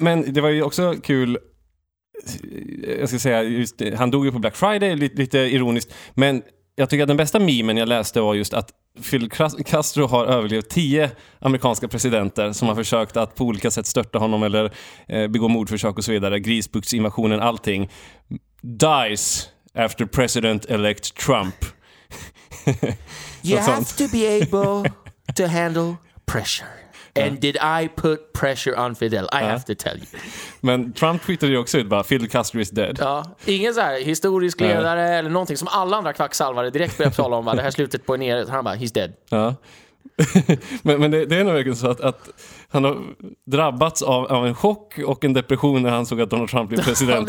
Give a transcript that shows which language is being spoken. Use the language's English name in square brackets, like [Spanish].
[Swedish] Men det var ju också kul, jag ska säga, just det, han dog ju på Black Friday, lite ironiskt, men jag tycker att den bästa memen jag läste var just att Fidel Castro har överlevt 10 amerikanska presidenter som har försökt att på olika sätt störta honom eller begå mordförsök och så vidare. Grisbuktsinvasionen, allting. [English] Dies after president-elect Trump. You have to be able to handle pressure. And did I put pressure on Fidel? I have to tell you. [Swedish] Men Trump tweetade ju också ut bara, [English] Fidel Castro is dead. [Swedish] Ja, ingen så här historisk ledare eller någonting som alla andra kvacksalvare direkt började tala om. Va? Det här slutet på en era. Han bara, [English] he's dead. [Swedish] Ja. men det är nog verkligen så att han har drabbats av en chock och en depression när han såg att Donald Trump blev president.